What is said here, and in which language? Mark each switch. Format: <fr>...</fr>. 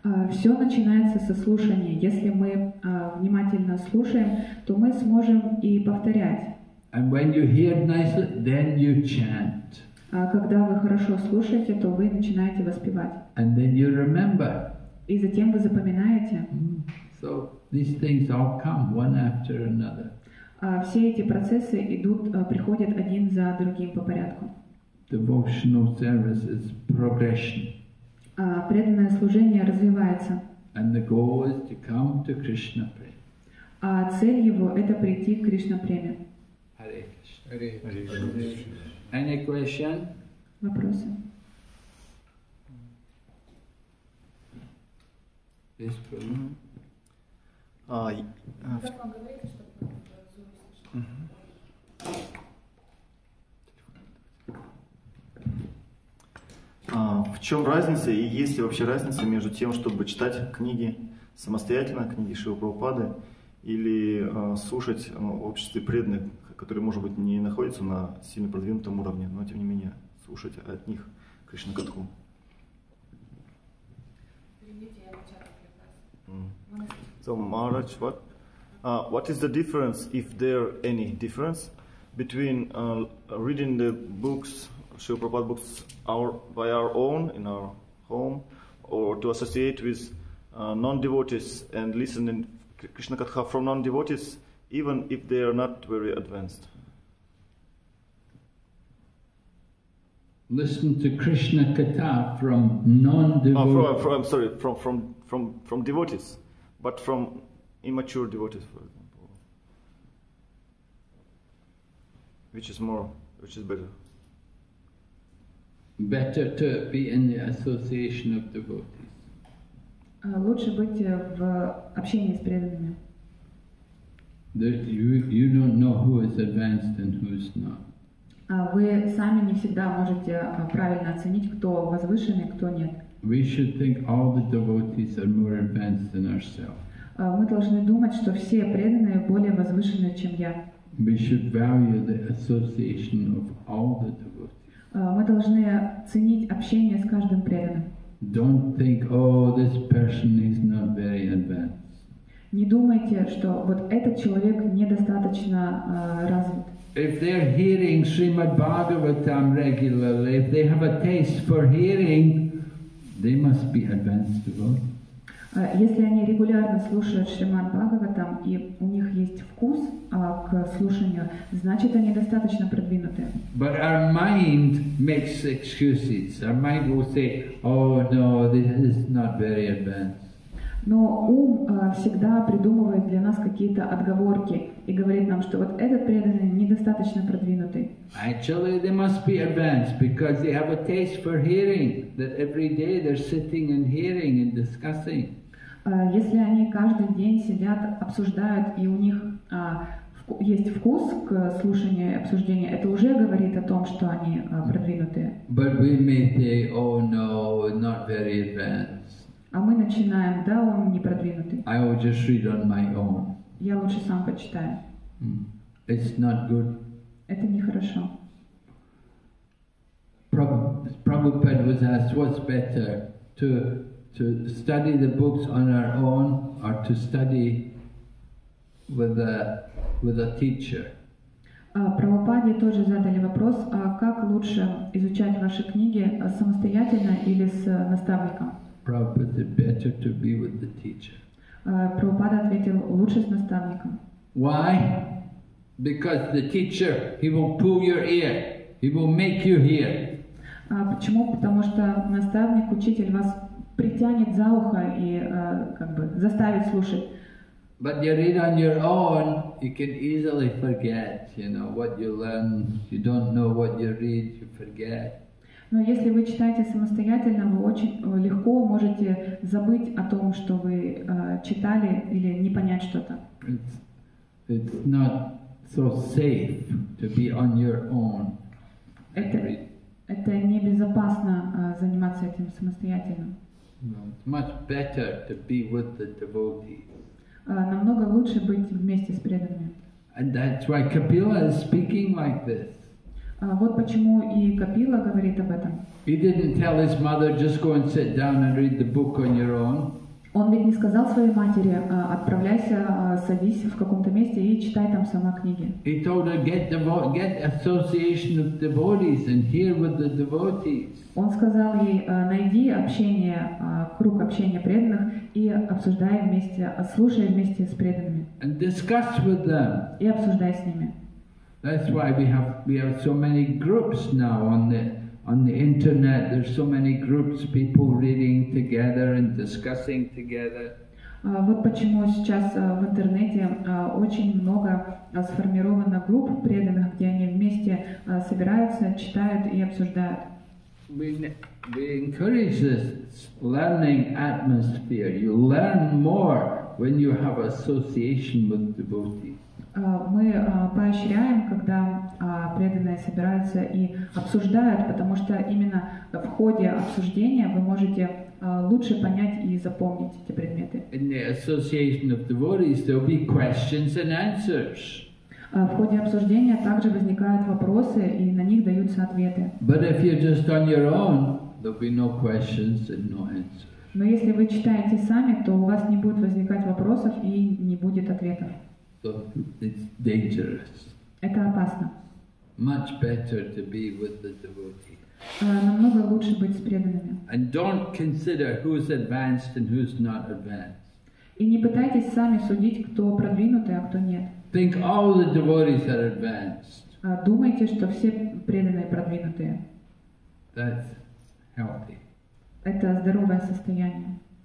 <ru>Все начинается со слушания. Если мы внимательно слушаем, то мы сможем и повторять.</ru> <en>And when you hear nicely, then you chant.</en> <ru>А когда вы хорошо слушаете, то вы начинаете воспевать.</ru> <en>And then you remember.</en> <ru>И затем вы запоминаете.</ru> <en>So these things all come one after another.</en> <ru>Все эти процессы идут, приходят один за другим по порядку.</ru> <en>Devotional service is progression.</en> <ru>Преданное служение развивается.</ru> <en>And the goal is to come to Krishna prema.</en> <ru>А цель его — это прийти к Кришна преме.</ru> <en>Hare Krishna.</en> <ru>Hare Krishna.</ru> <en>Any question?</en> <ru>Вопросы? Есть проблемы? В чем разница и есть ли вообще разница между тем, чтобы читать книги самостоятельно, книги Шрилы Прабхупады, или слушать общество преданных, которые, может быть, не находятся на сильно продвинутом уровне, но тем не менее слушать от них Кришна Катху?</ru> <en>So, Maharaj, what is the difference, if there any difference, between reading the books, Srila Prabhupada books, by our own in our home, or to associate with non-devotees and listening Krishna Katha from non-devotees, even if they are not very advanced? Listen to Krishna Katha from non-devotees. From devotees. But from immature devotees, for example, which is better? Better to be in the association of devotees.</en> <ru>Лучше быть в общении с преданными.</ru> <en>You don't know who is advanced and who is not.</en> <ru>Вы сами не всегда можете правильно оценить, кто возвышенный, кто нет.</ru> <en>We should think all the devotees are more advanced than ourselves.</en> <ru>Мы должны думать, что все преданные более возвышенные, чем я.</ru> <en>We should value the association of all the devotees.</en> <ru>Мы должны ценить общение с каждым преданным.</ru> <en>Don't think, this person is not very advanced.</en> <ru>Не думайте, что вот этот человек недостаточно развит.</ru> <en>If they're hearing Srimad Bhagavatam regularly, if they have a taste for hearing, they must be advanced devotees.</en> <ru>Если они регулярно слушают Шримад Бхагаватам и у них есть вкус к слушанию, значит они достаточно продвинуты.</ru> <en>But our mind makes excuses. Our mind will say, this is not very advanced.</en> <ru>Но ум всегда придумывает для нас какие-то отговорки и говорит нам, что вот этот преданный недостаточно продвинутый.</ru> <en>Actually, they must be advanced because they have a taste for hearing, that every day they're sitting and hearing and discussing.</en> <ru>Если они каждый день сидят, обсуждают, и у них есть вкус к слушанию и обсуждению, это уже говорит о том, что они продвинутые.</ru> <en>But we may say, not very advanced.</en> <ru>А мы начинаем, да, он не продвинутый.</ru> <en>I will just read on my own.</en> <ru>Я лучше сам почитаю.</ru> <en>It's not good.</en> <ru>Это нехорошо.</ru> <en>Prabhupada was asked, what's better, to study the books on our own or to study with a teacher?</en> <ru>Прабхупаде тоже задали вопрос, а как лучше изучать ваши книги самостоятельно или с наставником?</ru> <en>Prabhupada said, better to be with the teacher.</en> <ru>Прабхупада ответил, лучше с наставником.</ru> <en>Why? Because the teacher, he will pull your ear, he will make you hear.</en> <ru>Почему? Потому что наставник, учитель вас притянет за ухо и как бы заставит слушать.</ru> <en>But you read on your own, you can easily forget, what you learn. You don't know what you read, you forget.</en> <ru>Но если вы читаете самостоятельно, вы очень легко можете забыть о том, что вы читали, или не понять что-то.</ru> <en>It's not so safe to be on your own.</en> <ru>Это небезопасно заниматься этим самостоятельно.</ru> <en>No, it's much better to be with the devotees.</en> <ru>Намного лучше быть вместе с преданными.</ru> <en>And that's why Kapila is speaking like this.</en> <ru>Вот почему и Капила говорит об этом.</ru> <en>He didn't tell his mother, just go and sit down and read the book on your own.</en> <ru>Он ведь не сказал своей матери, отправляйся, садись в каком-то месте и читай там сама книги.</ru> <en>He told her, get association of devotees and hear with the devotees.</en> <ru>Он сказал ей, найди общение, круг общения преданных и обсуждай вместе, слушай вместе с преданными.</ru> <en>And discuss with them.</en> <ru>И обсуждай с ними.</ru> <en>That's why we have so many groups now on the internet. There's so many groups, people reading together and discussing together.</en> <ru>Вот почему сейчас в интернете очень много сформировано групп преданных, где они вместе собираются, читают и обсуждают.</ru> <en>We encourage this learning atmosphere. You learn more when you have association with devotees.</en> <ru>Мы поощряем, когда преданные собираются и обсуждают, потому что именно в ходе обсуждения вы можете лучше понять и запомнить эти предметы.</ru> <en>In the association of devotees, there will be questions and answers.</en> <ru>В ходе обсуждения также возникают вопросы, и на них даются ответы.</ru> <en>But if you're just on your own, there'll be no questions and no answers.</en> <ru>Но если вы читаете сами, то у вас не будет возникать вопросов и не будет ответов.</ru> <en>It's dangerous.</en> <ru>Это опасно.</ru> <en>Much better to be with the devotee.</en> <ru>Намного лучше быть с преданными.</ru> <en>And don't consider who's advanced and who's not advanced.</en> <ru>И не пытайтесь сами судить, кто продвинутый, а кто нет.</ru> <en>Think all the devotees are advanced.</en> <ru>Думайте, что все преданные продвинутые.</ru> <en>That's healthy.</en> <ru>Это здоровое состояние.</ru>